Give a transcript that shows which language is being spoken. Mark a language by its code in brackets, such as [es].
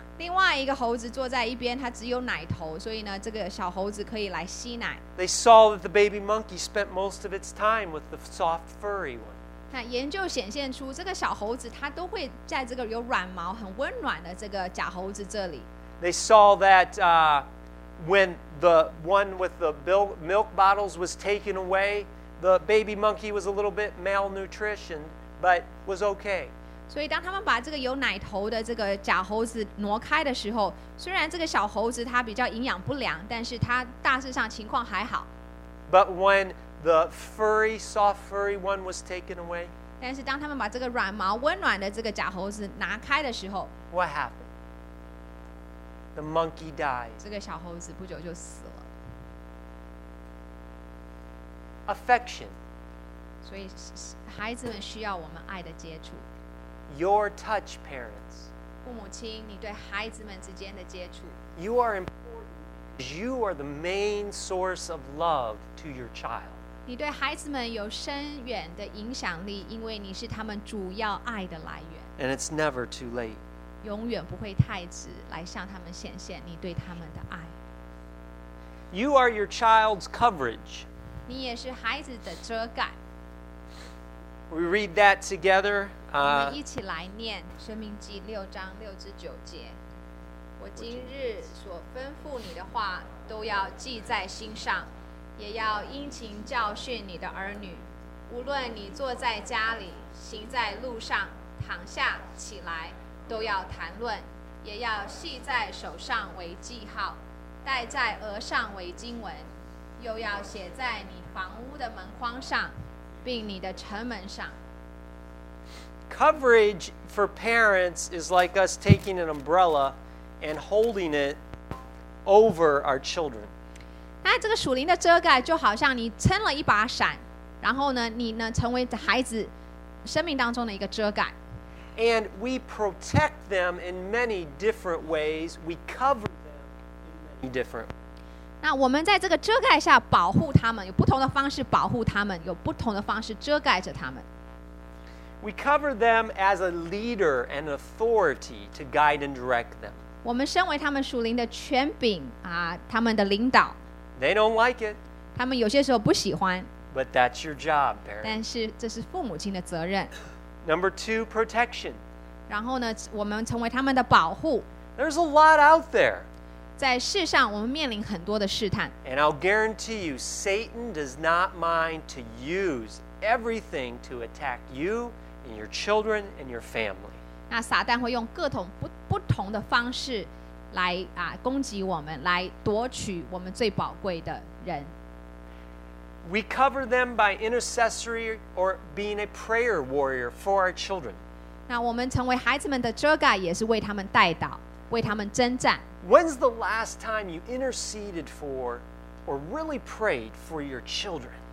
[zh] 另外一个猴子坐在一边，它只有奶头，所以呢，这个小猴子可以来吸奶。 [en] They saw that the baby monkey spent most of its time with the soft furry one. [zh] 那研究显现出，这个小猴子它都会在这个有软毛、很温暖的这个假猴子这里。 [en] They saw that when the one with the milk bottles was taken away, the baby monkey was a little bit malnutritioned, but was okay. [zh] 所以当他们把这个有奶头的这个假猴子挪开的时候，虽然这个小猴子它比较营养不良，但是它大致上情况还好。 [en] But when the furry, soft furry one was taken away, [zh] 但是当他们把这个软毛温暖的这个假猴子拿开的时候， [en] what happened? The monkey died. [zh] 这个小猴子不久就死了。 [en] Affection. [zh] 所以孩子们需要我们爱的接触。 [en] Your touch, parents. [zh] 父母亲，你对孩子们之间的接触。 [en] You are important. You are the main source of love to your child. [zh] 你对孩子们有深远的影响力，因为你是他们主要爱的来源。 [en] And it's never too late. [zh] 永远不会太迟来向他们显现你对他们的爱。 [en] You are your child's coverage. [zh] 你也是孩子的遮盖。 [en] We read that together. [zh] 我们一起来念《生命记》六章六至九节。我今日所吩咐你的话都要记在心上，也要殷勤教训你的儿女。无论你坐在家里，行在路上，躺下起来。都要谈论，也要系在手上为记号，戴在额上为经文，又要写在你房屋的门框上，并你的城门上。 [en] Coverage for parents is like us taking an umbrella and holding it over our children. [zh] 那这个属灵的遮盖就好像你撑了一把伞，然后呢，你呢成为孩子生命当中的一个遮盖。 [en] And we protect them in many different ways. We cover them in many different ways. [zh] 那我们在这个遮盖下保护他们，有不同的方式保护他们，有不同的方式遮盖着他们。 [en] We cover them as a leader and authority to guide and direct them. [zh] 我们身为他们属灵的权柄啊，他们的领导。 [en] They don't like it. [zh] 他们有些时候不喜欢。 [en] But that's your job, parents. [zh] 但是这是父母亲的责任。 [en] Number two, protection. [zh] 然后呢，我们成为他们的保护。 [en] There's a lot out there. [zh] 在世上，我们面临很多的试探。 [en] And I'll guarantee you, Satan does not mind to use everything to attack you and your children and your family. [zh] 那撒旦会用各种 不同的方式来、啊、攻击我们，来夺取我们最宝贵的人。 [en] We cover them by intercessory or being a prayer warrior for our children. [zh] 那我们成为孩子们的遮盖，也是为他们代祷，为他们征战。 [en] When's the last time you interceded for or really prayed for your children?